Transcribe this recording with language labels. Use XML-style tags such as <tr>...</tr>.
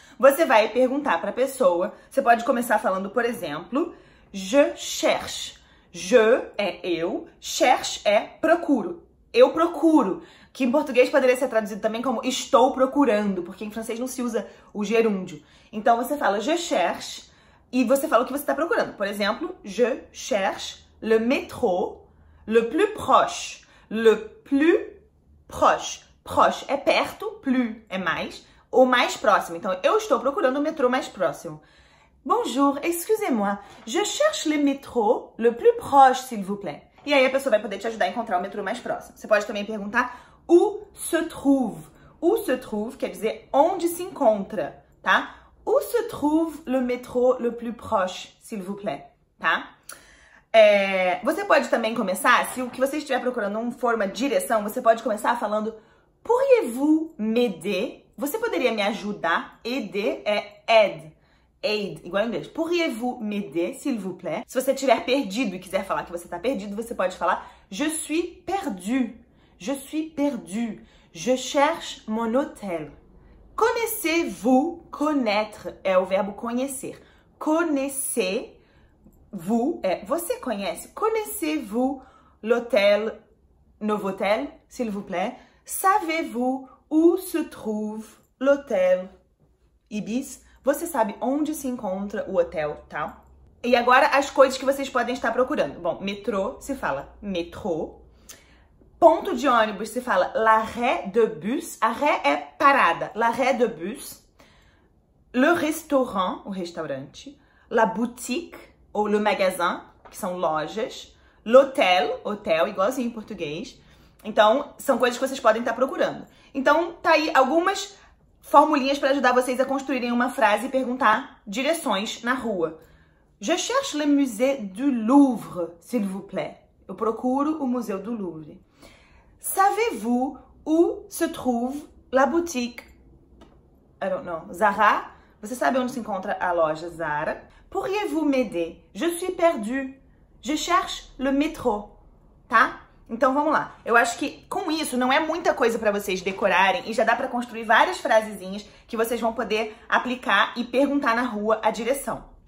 <pt>Você vai perguntar para a pessoa. Você pode começar falando, por exemplo,</pt> <fr>je cherche.</fr> <pt>Je é eu, cherche é procuro. Eu procuro. Que em português poderia ser traduzido também como estou procurando, porque em francês não se usa o gerúndio. Então você fala</pt> <fr>je cherche</fr> <pt>e você fala o que você tá procurando. Por exemplo,</pt> <fr>je cherche le métro le plus proche. Le plus proche.</fr> <pt>Proche é perto, plus é mais, ou mais próximo. Então, eu estou procurando o metrô mais próximo.</pt> <fr>Bonjour, excusez-moi. Je cherche le métro le plus proche, s'il vous plaît.</fr> <pt>E aí a pessoa vai poder te ajudar a encontrar o metrô mais próximo. Você pode também perguntar</pt> <fr>où se trouve. Où se trouve</fr> <pt>quer dizer onde se encontra, tá?</pt> <fr>Où se trouve le métro le plus proche, s'il vous plaît, tá?</fr> <pt>Você pode também começar, se o que você estiver procurando não for uma direção, você pode começar falando</pt> <fr>pourriez-vous m'aider?</fr> <pt>Você poderia me ajudar? Aider é aid, igual em inglês.</pt> <fr>Pourriez-vous m'aider, s'il vous plaît?</fr> <pt>Se você estiver perdido e quiser falar que você está perdido, você pode falar</pt> <fr>je suis perdu, je suis perdu, je cherche mon hôtel. Connaissez-vous, connaître,</fr> <pt>é o verbo conhecer.</pt> <fr>Connaissez-vous,</fr> <pt>é você conhece.</pt> <fr>Connaissez-vous l'hôtel, Novotel, s'il vous plaît. Savez-vous où se trouve l'hôtel Ibis?</fr> <pt>Você sabe onde se encontra o hotel, tá? E agora as coisas que vocês podem estar procurando. Bom, metrô se fala metrô. Ponto de ônibus se fala</pt> <fr>l'arrêt de bus.</fr> <pt>Arrêt é parada.</pt> <fr>L'arrêt de bus. Le restaurant,</fr> <pt>o restaurante.</pt> <fr>La boutique ou le magasin,</fr> <pt>que são lojas. L'hôtel, hotel, igualzinho em português. Então, são coisas que vocês podem estar procurando. Então, tá aí algumas formulinhas para ajudar vocês a construírem uma frase e perguntar direções na rua.</pt> <fr>Je cherche le musée du Louvre, s'il vous plaît.</fr> <pt>Eu procuro o Museu do Louvre.</pt> <fr>Savez-vous où se trouve la boutique?</fr> <en>I don't know. Zara?</en> <pt>Você sabe onde se encontra a loja Zara?</pt> <fr>Pourriez-vous m'aider? Je suis perdu. Je cherche le métro.</fr> <pt>Tá? Então vamos lá. Eu acho que com isso não é muita coisa para vocês decorarem e já dá para construir várias frasezinhas que vocês vão poder aplicar e perguntar na rua a direção.</pt>